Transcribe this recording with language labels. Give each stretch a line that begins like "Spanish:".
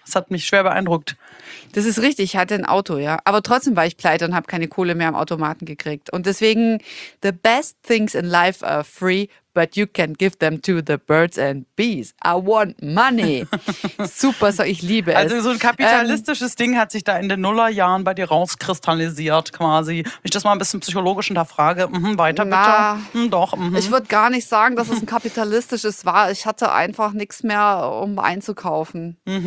German: Das hat mich schwer beeindruckt. Das ist richtig, ich hatte ein Auto, ja. Aber trotzdem war ich pleite und habe keine Kohle mehr am Automaten gekriegt. Und deswegen,
English: the best things in life are free, but you can give them to the birds and bees. I want money.
German: Super, so ich liebe es. Also so ein kapitalistisches Ding hat sich da in den Nullerjahren bei dir rauskristallisiert quasi. Wenn ich das mal ein bisschen psychologisch hinterfrage, weiter bitte. Ich würde gar nicht sagen, dass es ein kapitalistisches war. Ich hatte einfach nichts mehr, um einzukaufen.